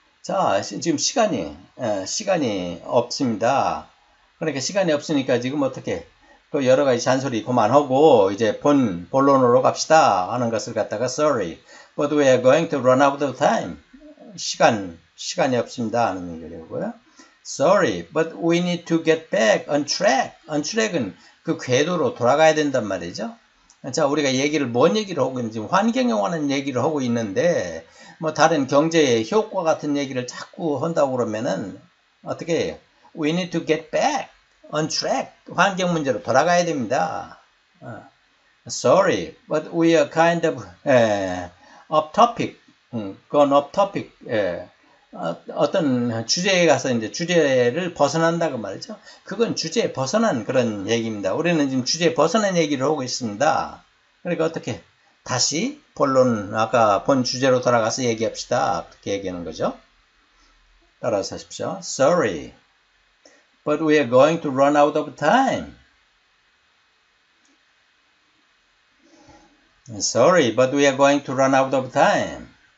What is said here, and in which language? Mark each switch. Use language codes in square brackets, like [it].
[ko] 자, 지금 시간이 없습니다. 그러니까 시간이 없으니까 지금 어떻게 그 여러 가지 잔소리 그만하고 이제 본론으로 갑시다 하는 것을 갖다가 [en] sorry, but we are going to run out of time. [ko] 시간이 없습니다 하는 얘기라고요. [en] Sorry, but we need to get back on track. [ko] On track은 그 궤도로 돌아가야 된단 말이죠. 자, 우리가 얘기를 뭔 얘기를 하고 있는지 환경에 관한 얘기를 하고 있는데 뭐 다른 경제의 효과 같은 얘기를 자꾸 한다고 그러면은 어떻게 해요? [en] We need to get back on track. [ko] 환경 문제로 돌아가야 됩니다. [en] Sorry, but we are kind of off topic. Gone off topic. [ko] 어떤 주제에 가서 이제 주제를 벗어난다고 말이죠. 그건 주제에 벗어난 그런 얘기입니다. 우리는 지금 주제에 벗어난 얘기를 하고 있습니다. 그러니까 어떻게 다시 본론, 아까 본 주제로 돌아가서 얘기합시다. 그렇게 얘기하는 거죠. 따라서 하십시오. [en] Sorry, but we are going to run out of time. Sorry, but we are going to run out of time.